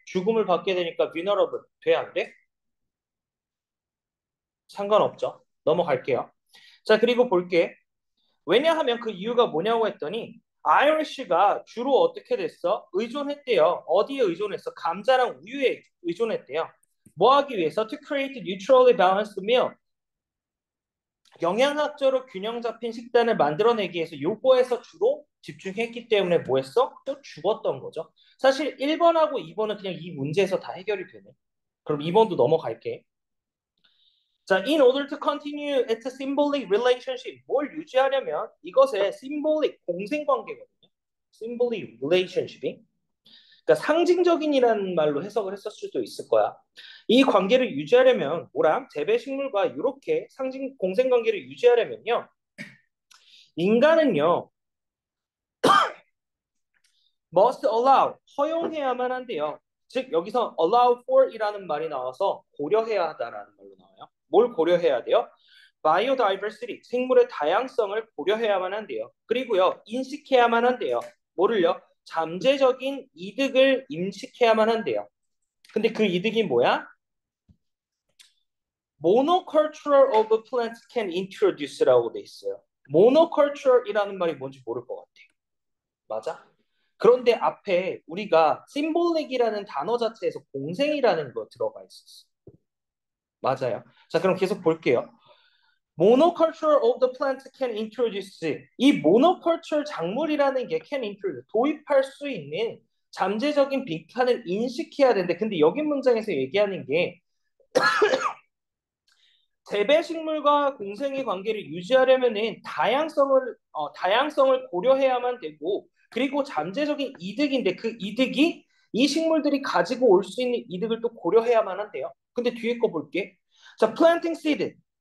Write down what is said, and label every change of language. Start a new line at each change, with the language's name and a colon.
Korean: 죽음을 받게 되니까 vulnerable 돼, 안 돼? 상관없죠. 넘어갈게요. 자, 그리고 볼게. 왜냐하면 그 이유가 뭐냐고 했더니 아이러쉬가 주로 어떻게 됐어? 의존했대요. 어디에 의존했어? 감자랑 우유에 의존했대요. 뭐 하기 위해서?
English: To create a neutrally balanced meal.
Korean: 영양학적으로 균형 잡힌 식단을 만들어내기 위해서 요거에서 주로 집중했기 때문에 뭐 했어? 또 죽었던 거죠. 사실 1번하고 2번은 그냥 이 문제에서 다 해결이 되네. 그럼 2번도 넘어갈게.
English: 자, in order to continue its symbolic relationship,
Korean: 뭘 유지하려면 이것의
English: symbolic
Korean: 공생 관계거든요.
English: symbolic relationship이.
Korean: 그러니까 상징적인이라는 말로 해석을 했을 수도 있을 거야. 이 관계를 유지하려면 뭐랑 재배 식물과 이렇게 상징 공생 관계를 유지하려면요. 인간은요.
English: must allow
Korean: 허용해야만 한대요. 즉 여기서
English: allow for
Korean: 이라는 말이 나와서 고려해야 하다라는 말로 나와요. 뭘 고려해야 돼요? Biodiversity, 생물의 다양성을 고려해야만 한대요. 그리고요, 인식해야만 한대요. 뭐를요? 잠재적인 이득을 인식해야만 한대요. 근데 그 이득이 뭐야?
English: Monoculture of plants can introduce
Korean: 라고 돼 있어요. Monoculture이라는 말이 뭔지 모를 것 같아요. 맞아? 그런데 앞에 우리가 symbolic이라는 단어 자체에서 공생이라는 거 들어가 있었어요. 맞아요. 자, 그럼 계속 볼게요.
English: Monoculture of the plant can introduce.
Korean: 이 모노컬처 작물이라는 게
English: can introduce.
Korean: 도입할 수 있는 잠재적인 빙판을 인식해야 되는데, 근데 여기 문장에서 얘기하는 게, 재배식물과 공생의 관계를 유지하려면은 다양성을 고려해야만 되고, 그리고 잠재적인 이득인데, 그 이득이 이 식물들이 가지고 올수 있는 이득을 또 고려해야만 한대요. 근데 뒤에 거 볼게. 자,
English: planting seed.